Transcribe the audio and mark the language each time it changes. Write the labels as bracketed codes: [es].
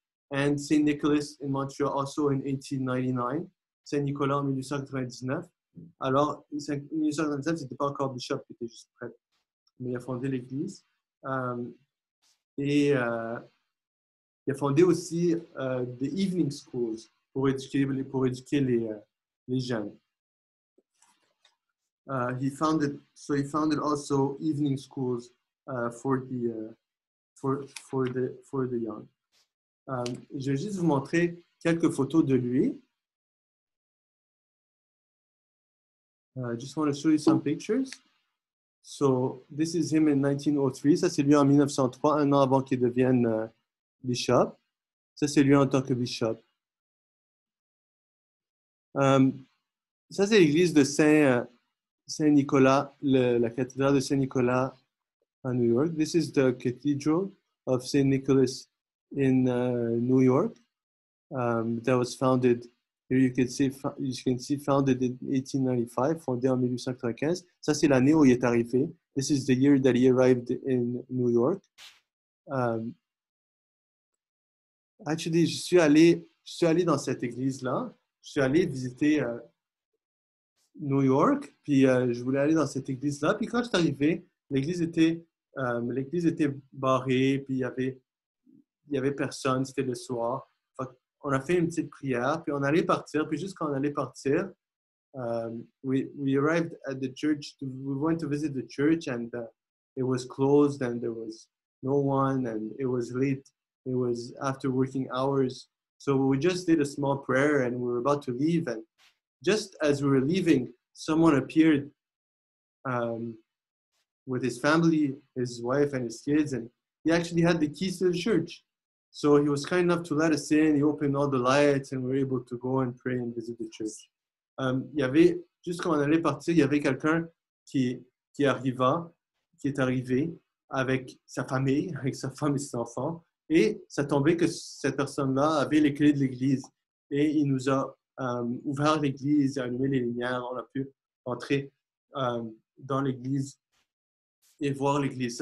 [en] And Saint Nicholas in Montreal also in 1899, [fr] Saint Nicolas en 1899. Alors, 1899, c'était pas encore bishop, il était juste prêtre. mais il a fondé l'église. Il a fondé aussi des [en] evening schools [fr] pour éduquer les jeunes. [en] He founded also evening schools for the young. [fr] Je vais juste vous montrer quelques photos de lui. [en] Just want to show you some pictures. So this is him in 1903. [fr] Ça c'est lui en 1903, un an avant qu'il devienne bishop. Ça c'est lui en tant que bishop. Ça c'est l'église de Saint-Nicolas, la cathédrale de Saint-Nicolas à New York. [en] This is the Cathedral of Saint Nicholas in New York. That was founded, here you can see founded in 1895, [fr] fondé en 1895. Ça, c'est l'année où il est arrivé. [en] This is the year that he arrived in New York. [fr] Actually, je suis allé dans cette église-là. Je suis allé visiter New York, puis je voulais aller dans cette église-là. Puis quand je suis arrivé, l'église était barrée, puis il y avait personne, c'était le soir. Donc, on a fait une petite prière, puis on allait partir. Puis juste quand on allait partir, [en] we arrived at the church. We went to visit the church, and it was closed, and there was no one, and it was late. It was after working hours. So we just did a small prayer, and we were about to leave. And just as we were leaving, someone appeared with his family, his wife, and his kids, and he actually had the keys to the church. So he was kind enough to let us in. He opened all the lights, and we were able to go and pray and visit the church. [fr] Il y avait, juste quand on allait partir, il y avait quelqu'un qui est arrivé avec sa famille, avec sa femme et ses enfants, et ça tombait que cette personne-là avait les clés de l'église, et il nous a ouvert l'église, allumé les lumières, on a pu entrer dans l'église et voir l'église.